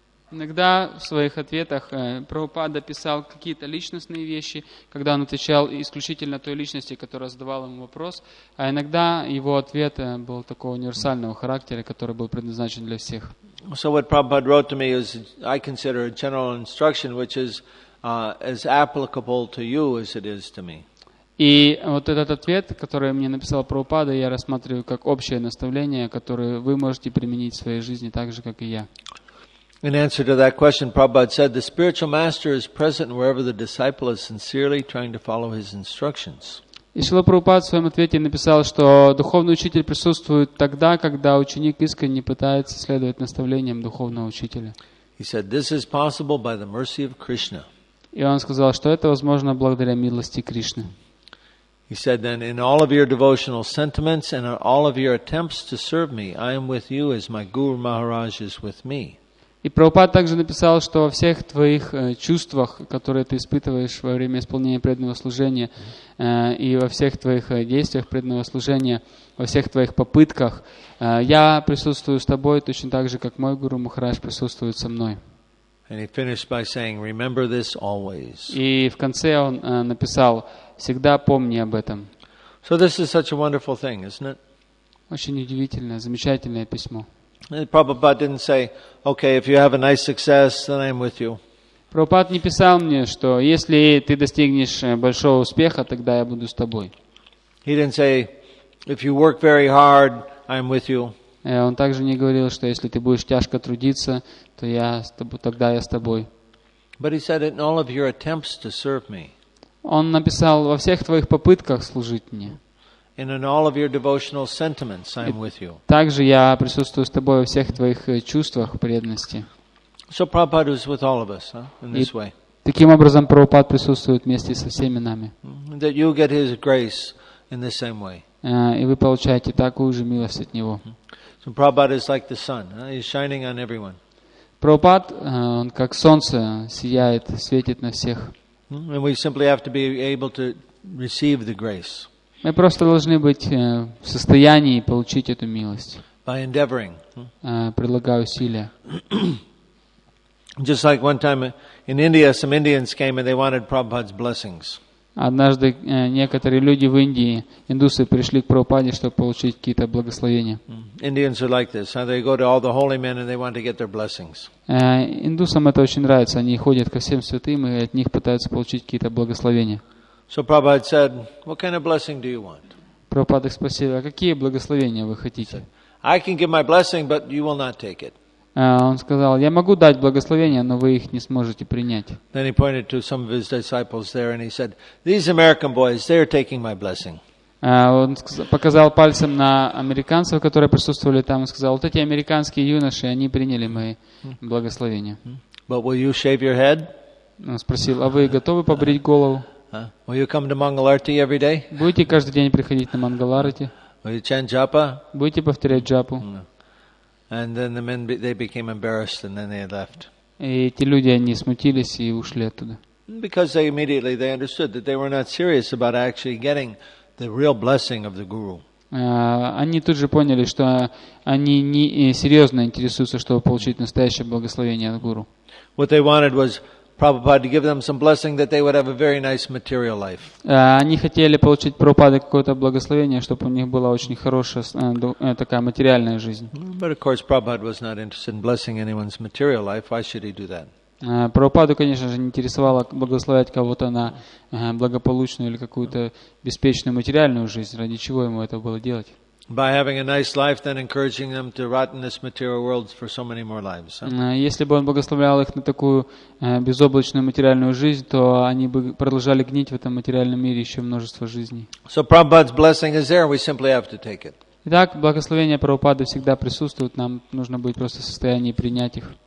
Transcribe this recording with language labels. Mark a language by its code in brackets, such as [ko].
[ru] Иногда в своих ответах Прабхупада писал какие-то личностные вещи, когда он отвечал исключительно той личности, которая задавала ему вопрос, а иногда его ответ был такого универсального характера, который был предназначен для всех. [en] So what Prabhupada wrote to me is, I consider a general instruction, which is as applicable to you as it is to me. [ru] И вот этот ответ, который мне написал Прабхупада, я рассматриваю как общее наставление, которое вы можете применить в своей жизни так же, как и я. [en] In answer to that question, Prabhupada said, "The spiritual master is present wherever the disciple is sincerely trying to follow his instructions." [ru] И Шрила Прабхупада в своем ответе написал, что духовный учитель присутствует тогда, когда ученик искренне пытается следовать наставлениям духовного учителя. [en] He said, "This is possible by the mercy of Krishna." [ru] И он сказал, что это возможно благодаря милости Кришны. [en] He said, "Then in all of your devotional sentiments and in all of your attempts to serve me, I am with you as my Guru Maharaj is with me." [ru] И Прабхупад также написал, что во всех твоих чувствах, которые ты испытываешь во время исполнения преданного служения, и во всех твоих действиях преданного служения, во всех твоих попытках, я присутствую с тобой точно так же, как мой Гуру Махарадж присутствует со мной. [en] And he finished by saying, "Remember this always." [ru] И в конце он написал, "Всегда помни об этом." [en] So this is such a wonderful thing, isn't it? [ru] Очень удивительное, замечательное письмо. [en] Prabhupada didn't say, "Okay, if you have a nice success, then I'm with you." [ru] Прабхупад не писал мне, что если ты достигнешь большого успеха, тогда я буду с тобой. [en] He didn't say, "If you work very hard, I'm with you." [ru] Он также не говорил, что если ты будешь тяжко трудиться, то я тогда я с тобой. [en] But he said, "In all of your attempts to serve me." [ru] Он написал во всех твоих попытках служить мне. [en] And in all of your devotional sentiments, I'm with you. [ru] Также я присутствую с тобой во всех твоих чувствах преданности. [en] So Prabhupada was with all of us, huh, in this way. [ru] Таким образом, Прабхупад присутствует вместе со всеми нами. [en] That you get his grace in the same way. [ru] И вы получаете такую же милость от него. [en] So Prabhupada is like the sun. He's shining on everyone. [ru] Прабхупад, он как солнце, сияет, светит на всех. [en] And we simply have to be able to receive the grace. [ru] Мы просто должны быть в состоянии получить эту милость. [en] By endeavoring. [ru] Прилагая усилия. [en] Just like one time in India, some Indians came and they wanted Prabhupada's blessings. [ru] Однажды некоторые люди в Индии, индусы, пришли к Прабхупаде, чтобы получить какие-то благословения. [en] Indians are like this. They go to all the holy men and they want to get their blessings. [ru] Индусам это очень нравится. Они ходят ко всем святым и от них пытаются получить какие-то благословения. [en] So Prabhupada said, "What kind of blessing do you want?" [ru] Прабхупада спросил, а какие благословения вы хотите? [en] I can give my blessing, but you will not take it. [ru] Он сказал, я могу дать благословения, но вы их не сможете принять. [en] Then he pointed to some of his disciples there and he said, "These American boys, they are taking my blessing." [ru] Он показал пальцем на американцев, которые присутствовали там, и сказал, вот эти американские юноши, они приняли мои благословения. [en] But will you shave your head? [ru] Он спросил, а вы готовы побрить голову? [en] Will you come to Mangalarti every day? [ru] Будете каждый день приходить на Мангаларти? [en] Will you chant Japa? [ru] Будете повторять Джапу? [en] And then the men they became embarrassed and then they left. [ru] И эти люди они смутились и ушли оттуда. [en] Because they immediately they understood that they were not serious about actually getting the real blessing of the guru. [ru] Они тут же поняли, что они не серьезно интересуются, чтобы получить настоящее благословение от гуру. [en] What they wanted was Prabhupada to give them some blessing that they would have a very nice material life. [ru] Они хотели получить Прабхупады какое-то благословение, чтобы у них была очень хорошая такая материальная жизнь. [en] But of course, Prabhupada was not interested in blessing anyone's material life. Why should he do that? [ru] Прабхупаду, конечно же, не интересовало благословлять кого-то на благополучную или какую-то беспечную материальную жизнь. Ради чего ему это было делать? [en] By having a nice life, then encouraging them to rot in this material world for so many more lives. [ru] Если бы он благословлял их на такую безоблачную материальную жизнь, то они бы продолжали гнить в этом материальном мире еще множество жизней. [en] So Prabhupada's blessing is there. We simply have to take it. [ru] Итак, благословения Прабхупады всегда присутствуют. Нам нужно быть просто в состоянии принять их.